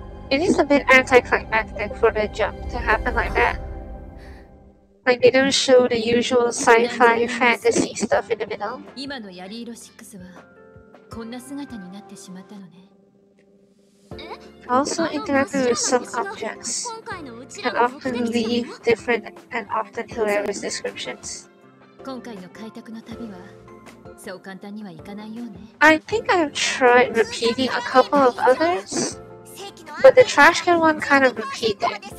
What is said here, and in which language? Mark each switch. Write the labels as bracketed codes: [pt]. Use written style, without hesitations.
[en] It is a bit anticlimactic for the jump to happen like that. Like, they don't show the usual sci-fi fantasy stuff in the middle. [ja] 今のヤリーロ6はこんな姿になってしまったのね。 [en] Also interacting with some objects can often leave different and often hilarious descriptions. [ja] 今回の開拓の旅はそう簡単にはいかないよね。 [en] I think I've tried repeating a couple of others, but the trash can one kind of repeated.